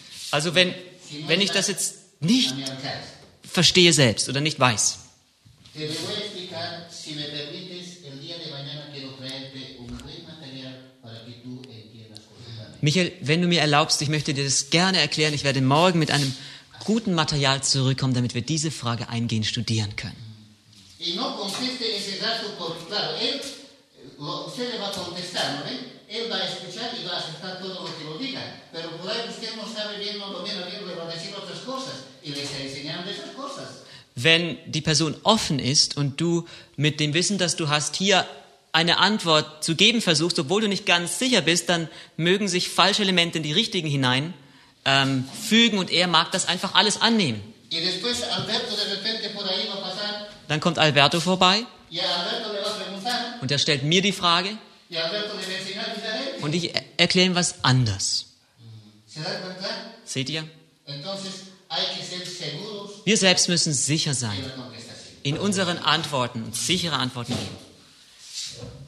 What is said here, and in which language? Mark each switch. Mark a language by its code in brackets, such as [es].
[de] Also wenn ich das jetzt nicht verstehe selbst oder nicht weiß. [es] Te voy a explicar, si me permites, el día de mañana quiero traerte un buen material para que tú entiendas correctamente. [de] Michael, wenn du mir erlaubst, ich möchte dir das gerne erklären. Ich werde morgen mit einem guten Material zurückkommen, damit wir diese Frage eingehend studieren können. [es] Y no conteste ese dato por claro, usted le va a contestar, ¿no? Él va a escuchar y va a aceptar todo lo que lo diga, pero por ahí usted no sabe bien lo que le va a decir otras cosas y le está enseñando esas cosas. [de] Wenn die Person offen ist und du mit dem Wissen, das du hast, hier eine Antwort zu geben versuchst, obwohl du nicht ganz sicher bist, dann mögen sich falsche Elemente in die richtigen hinein fügen und er mag das einfach alles annehmen. [es] Y después Alberto de repente por ahí va a pasar. [de] Dann kommt Alberto vorbei [es] y Alberto le va a preguntar. [de] Und er stellt mir die Frage [es] y Alberto le va a enseñar diferente. [de] Und ich erkläre ihm was anders. [es] ¿Se da cuenta? [de] Seht ihr? [es] Entonces, hay que ser seguros. [de] Wir selbst müssen sicher sein in unseren Antworten, sichere Antworten geben.